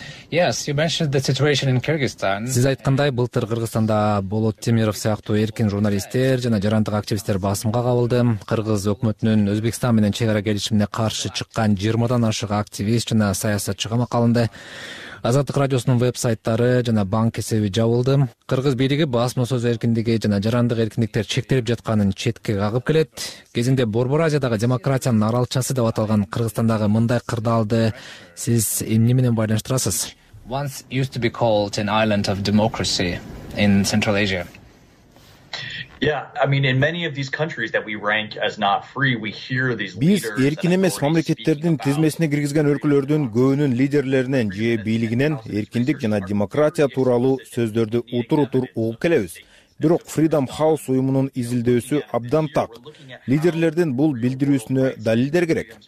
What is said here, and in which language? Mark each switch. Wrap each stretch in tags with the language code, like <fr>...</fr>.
<en>Yes, you mentioned the situation in Kyrgyzstan.</en> <ky>Сиз айткандай, былтыр Кыргызстанда Болот Темиров сыяктуу эркин журналисттер жана жарандык активисттер басымга кабылды. Кыргыз өкмөтүнүн Өзбекстан менен чек ара келишимине каршы чыккан 20дан ашык активист жана саясатчы камакка алынды. Азаттык радиосунун вебсайттары жана банк эсеби жабылды. Кыргыз бийлиги басма сөз эркиндиги жана жарандык эркиндиктер чектелип жатканын четке кагып келет. Кезинде Борбор Азиядагы демократиянын аралчасы деп аталган Кыргызстандагы мындай кырдаалды сиз эмне менен байланыштырасыз?</ky> <en>Once used to be called an island of democracy in Central Asia. Yeah, I mean in many of these countries that we rank as not free, we hear these leaders.</en> <ky>Биз эркин эмес мамлекеттердин тизмесине киргизген өлкөлөрдүн көбүнүн лидерлеринен же бийлигинен эркиндик жана демократия тууралуу сөздөрдү утур-утур угуп келебиз. Бирок Freedom House уюмунун изилдөөсү абдан так. Лидерлердин бул билдирүүсүнө далилдер керек.</ky>